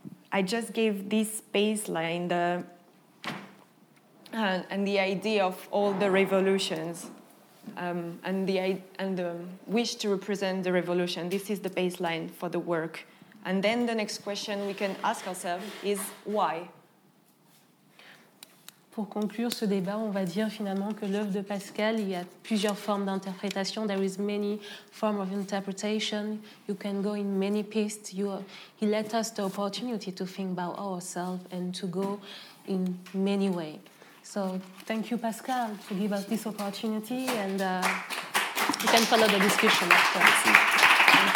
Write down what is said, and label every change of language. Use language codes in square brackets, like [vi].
[en] I just gave this baseline and the idea of all the revolutions and the wish to represent the revolution. This is the baseline for the work. And then the next question we can ask ourselves is why? [fr] Pour conclure ce débat, on va dire finalement que l'œuvre de Pascal, il y a plusieurs formes d'interprétation. [en] There is many forms of interpretation. You can go in many pistes. He let us the opportunity to think about ourselves and to go in many ways. So thank you, Pascal, to give us this opportunity. And we can follow the discussion after.